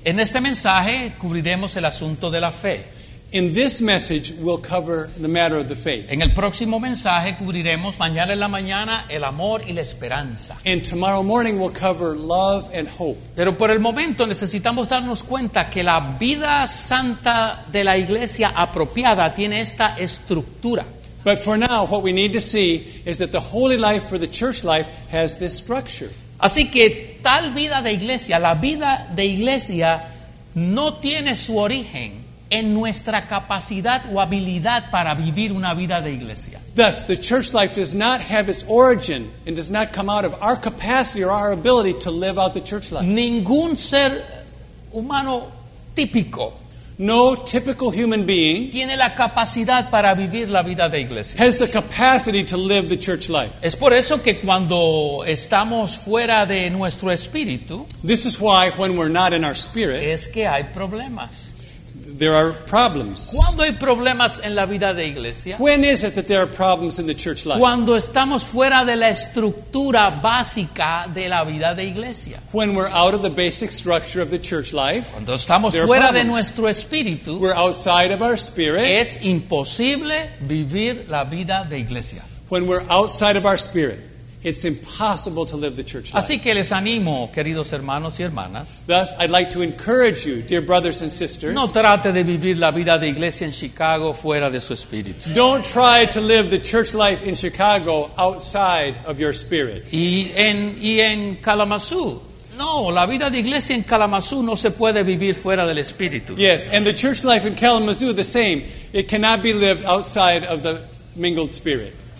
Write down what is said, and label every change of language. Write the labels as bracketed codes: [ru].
[es] En este mensaje cubriremos el asunto de la fe. [en] In this message we'll cover the matter of the faith. [es] En el próximo mensaje cubriremos mañana en la mañana el amor y la esperanza. [en] And tomorrow morning we'll cover love and hope. [es] Pero por el momento necesitamos darnos cuenta que la vida santa de la iglesia apropiada tiene esta estructura. [en] But for now what we need to see is that the holy life for the church life has this structure. [es] Así que tal vida de iglesia, la vida de iglesia no tiene su origen en nuestra capacidad o habilidad para vivir una vida de iglesia. [en] Thus, the church life does not have its origin and does not come out of our capacity or our ability to live out the church life. [es] Ningún ser humano típico, [en] no typical human being, [es] tiene la capacidad para vivir la vida de iglesia. [en] Has the capacity to live the church life. [es] Es por eso que cuando estamos fuera de nuestro espíritu, [en] this is why when we're not in our spirit, [es] es que hay problemas. [en] There are problems. [es] ¿Cuándo hay problemas en la vida de iglesia? [en] When is it that there are problems in the church life? [es] Cuando estamos fuera de la estructura básica de la vida de iglesia. [en] When we're out of the basic structure of the church life. [es] Cuando estamos fuera de nuestro espíritu. [en] We're outside of our spirit. [es] Es imposible vivir la vida de iglesia. [en] When we're outside of our spirit, it's impossible to live the church life. [es] Así que les animo, queridos hermanos y hermanas. [en] Thus, I'd like to encourage you, dear brothers and sisters. [es] No trate de vivir la vida de iglesia en Chicago fuera de su espíritu. [en] Don't try to live the church life in Chicago outside of your spirit. [es] Y en Kalamazoo. No, la vida de iglesia en Kalamazoo no se puede vivir fuera del espíritu. [en] Yes, and the church life in Kalamazoo the same. It cannot be lived outside of the mingled spirit.